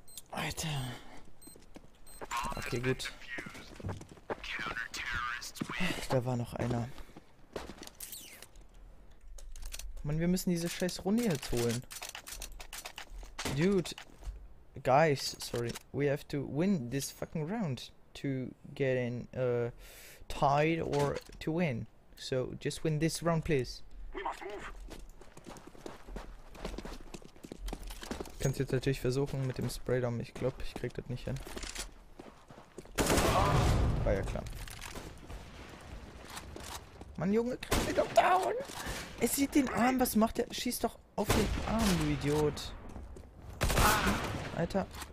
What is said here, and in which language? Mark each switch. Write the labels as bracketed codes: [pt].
[de] Alter. Okay, gut. Da war noch einer. Mann, wir müssen diese scheiß Runde jetzt holen. [en] Dude. Guys, sorry. We have to win this fucking round to get in tied or to win. So, just win this round, please. We must move. [de] könnte jetzt natürlich versuchen mit dem Spraydom. Ich glaube, ich krieg das nicht hin. War ja klar. Mann, Junge, krieg mich doch down! Es sieht den Arm, was macht der? Schieß doch auf den Arm, du Idiot! Alter.